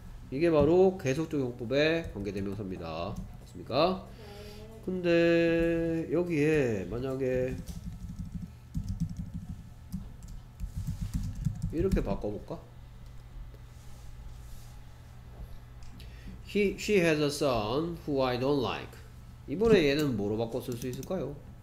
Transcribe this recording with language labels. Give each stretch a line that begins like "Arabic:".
Korean: 이게 바로 계속적용법의 관계대명사입니다. 맞습니까? 근데 여기에 만약에 이렇게 바꿔볼까?
English: She has a son who I don't like.
Korean: 이번에 얘는 뭐로 바꿔 쓸수 있을까요?